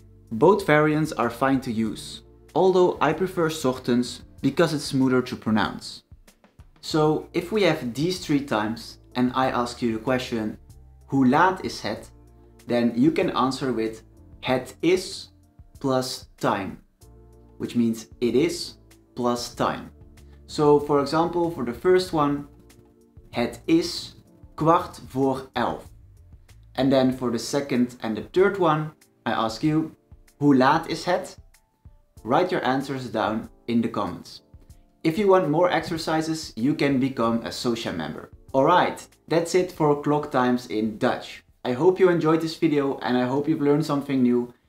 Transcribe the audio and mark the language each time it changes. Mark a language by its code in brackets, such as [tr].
[en] Both variants are fine to use, although I prefer 's ochtends because it's smoother to pronounce. So, if we have these 3 times and I ask you the question, [nl] hoe laat is het? [en] Then you can answer with het is plus time, which means it is plus time. So for example, for the first one, [nl] het is kwart voor 11. [en] And then for the second and the third one, I ask you, [nl] hoe laat is het? [en] Write your answers down in the comments. If you want more exercises, you can become a SociaMember. Alright, that's it for clock times in Dutch. I hope you enjoyed this video and I hope you've learned something new.